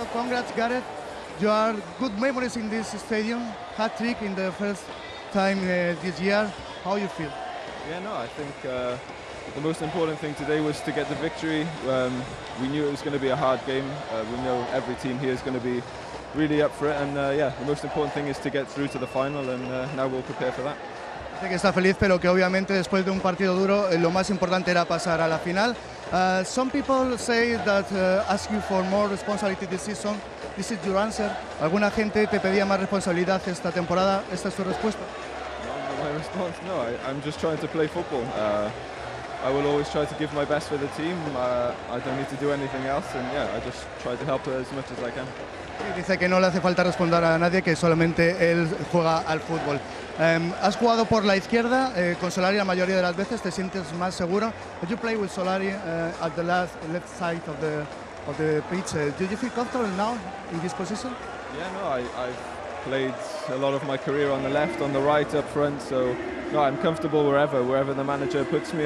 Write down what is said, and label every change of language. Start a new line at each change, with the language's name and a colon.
English: that, Gareth, you are good memories in this stadium, hat-trick in the first time this year. How you feel? Yeah, no, I think the most important thing today was to get the victory. We knew it was going to be a hard game. We know every team here is going to be really up for it. And yeah, the most important thing is to get through to the final, and now we'll prepare for that.
Spanish: Sé que está feliz, pero que obviamente después de un partido duro, lo más importante era pasar a la final.
English: Some people say that ask you for more responsibility this season. This is your answer.
Spanish: ¿Alguna gente te pedía más responsabilidad esta temporada? ¿Esta es tu respuesta?
English: My response? No, I'm just trying to play football. I will always try to give my best for the team. I don't need to do anything else, and yeah, I just try to help as much as I can.
Spanish: Dice que no le hace falta responder a nadie, que solamente él juega al fútbol. Has jugado por la izquierda con Solari la mayoría de las veces. Te sientes más seguro.
English: Did you play with Solari at the left side of the pitch? Do you feel comfortable now in this position? Yeah, no, I've played a lot of my career on the left, on the right, up front. So no, I'm comfortable wherever the manager puts me.